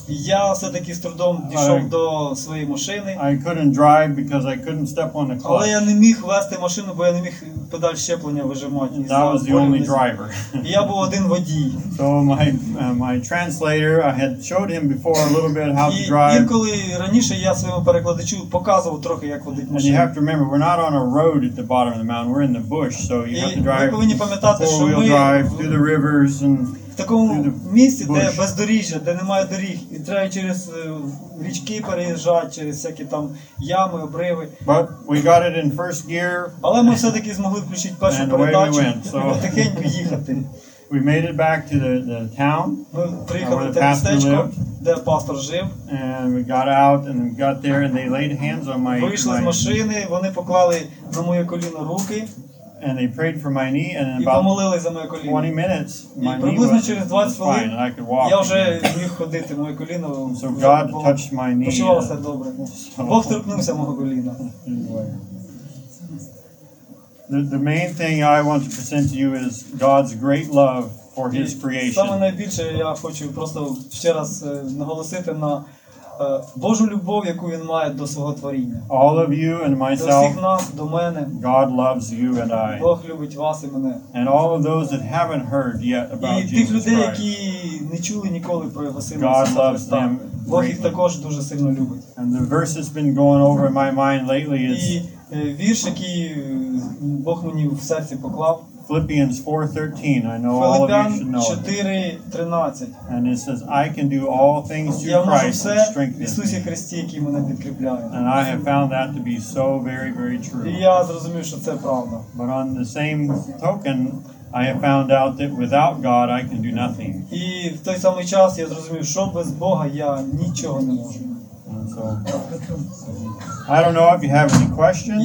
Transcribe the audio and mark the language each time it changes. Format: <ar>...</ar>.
<uk>Я все-таки з трудом дійшов до своєї машини.</uk> <en>I couldn't drive because I couldn't step on the clutch.</en> <uk>Але я не міг вести машину, бо я не міг педаль щеплення вижимати.</uk> <en>And that was the only driver.</en> <uk>Я був один водій.</uk> <en>So my translator, I had showed him before a little bit how to drive.</en> <uk>І інколи раніше я своєму перекладачу показував трохи, як водити машину.</uk> <en>And you have to remember, we're not on a road at the bottom of the mountain. We're in the bush, so you have to drive.</en> <uk>І ви повинні пам'ятати, що ми</uk> <en>four-wheel drive through the rivers and</en> <uk>в такому місці, де бездоріжжя, де немає доріг, і треба через річки переїжджати, через всякі там ями, обриви.</uk> <en>But we got it in first gear.</en> <uk>Але ми все-таки змогли включити першу передачу</uk> <en>and</en> <uk>і потихеньку їхати.</uk> <en>We made it back to the town.</en> <uk>Ми приїхали до містечка, де пастор жив.</uk> <en>And we got out and got there and they laid hands on my</en> <uk>вийшли з машини, вони поклали на моє коліно руки.</uk> <en>And they prayed for my knee and about 20 minutes my knee was fine and I could walk.</en> <uk>Я вже міг ходити, моє коліно.</uk> <en>So God touched my knee.</en> <uk>Почувався добре. Бог торкнувся мого коліна.</uk> <en>The main thing I want to present to you is God's great love for his creation.</en> <uk>Саме найбільше я хочу просто ще раз наголосити на Божу любов, яку він має до свого творіння.</uk> <en>All of you and myself.</en> <uk>До всіх нас, до мене.</uk> <en>God loves you and I.</en> <uk>Бог любить вас і мене.</uk> <en>And all of those that haven't heard yet about Jesus.</en> <uk>І тих людей, які не чули ніколи про його сина.</uk> <en>God loves them.</en> <uk>Бог їх також дуже сильно любить.</uk> <en>And the verse has been going over my mind lately is</en> <uk>вірш, який Бог мені в серці поклав.</uk> <en>Philippians 4:13. I know all of you should know. Philippians 4:13. And it says, I can do all things through Christ who strengthens me.</en> <uk>Христі, який мене підкріпляє.</uk> <en>And I have found that to be so very, very true.</en> <uk>Я зрозумів, що це правда.</uk> <en>But on the same token, I have found out that without God I can do nothing.</en> <uk>І в той самий час я зрозумів, що без Бога я нічого не можу.</uk> <en>I don't know if you have any questions.</en>